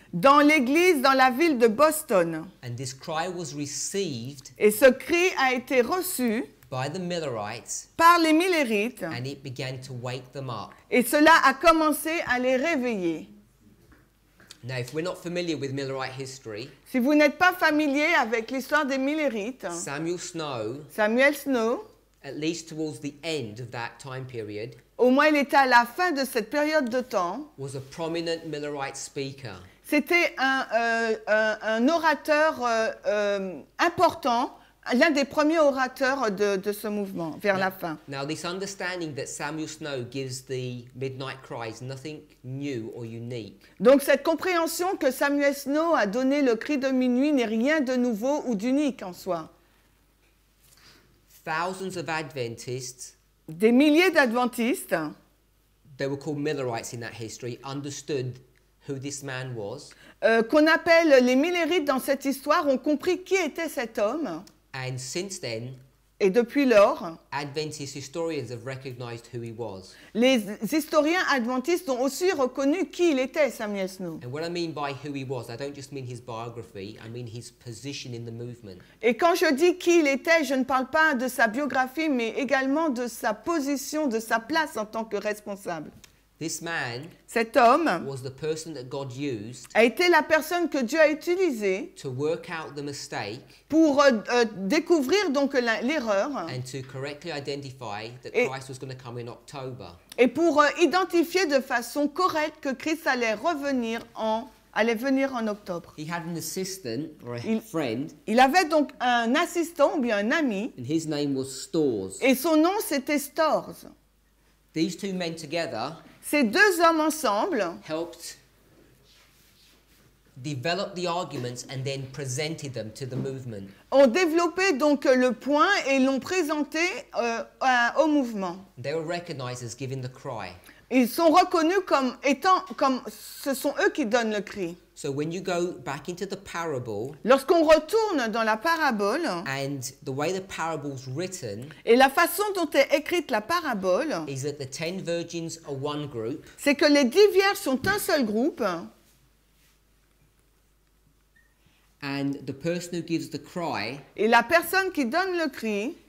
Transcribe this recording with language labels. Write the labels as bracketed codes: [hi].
[fr] Dans l'église dans la ville de Boston. [en] And this cry was received. [fr] Et ce cri a été reçu. [en] By the Millerites. [fr] Par les Millerites. [en] And it began to wake them up. [fr] Et cela a commencé à les réveiller. [en] Now, if we're not familiar with Millerite history. [fr] Si vous n'êtes pas familier avec l'histoire des Millerites. [en] Samuel Snow. At least towards the end of that time period. [fr] Au moins, il était à la fin de cette période de temps. [en] Was a prominent Millerite speaker. [fr] C'était un orateur important, l'un des premiers orateurs de ce mouvement vers la fin. [en] Now, this understanding that Samuel Snow gives the midnight cry is nothing new or unique. [fr] Donc, cette compréhension que Samuel Snow a donné le cri de minuit n'est rien de nouveau ou d'unique en soi. [en] Thousands of Adventists. [fr] Des milliers d'adventistes. [en] They were called Millerites in that history. Understood who this man was. [fr] Qu'on appelle les Millerites dans cette histoire ont compris qui était cet homme. [en] And since then. [fr] Et depuis lors. [en] Adventist historians have recognized who he was. [fr] Les historiens adventistes ont aussi reconnu qui il était, Samuel Snow. [en] And what I mean by who he was, I don't just mean his biography. I mean his position in the movement. [fr] Et quand je dis qui il était, je ne parle pas de sa biographie, mais également de sa position, de sa place en tant que responsable. [en] This man. [fr] Cet homme. [en] Was the person that God used. [fr] A été la personne que Dieu a utilisée. [en] To work out the mistake. [fr] Pour découvrir donc l'erreur. [en] And to correctly identify that Christ was going to come in October. [fr] Et pour identifier de façon correcte que Christ allait venir en octobre. [en] He had an assistant or a friend. [fr] Il avait donc un assistant ou bien un ami. [en] And his name was Storrs. [fr] Et son nom c'était Storrs. [en] These two men together. [fr] Ces deux hommes ensemble [en] helped develop the arguments and then presented them to the movement. [fr] Ont développé donc le point et l'ont présenté au mouvement. [en] They were recognized as giving the cry. [fr] Ils sont reconnus comme étant comme ce sont eux qui donnent le cri. [en] So when you go back into the parable, [fr] lorsqu'on retourne dans la parabole, [en] and the way the parable's written, [fr] et la façon dont est écrite la parabole, [en] is that the 10 virgins are one group, [fr] c'est que les 10 vierges sont un seul groupe, [en] and the person who gives the cry, [fr] et la personne qui donne le cri,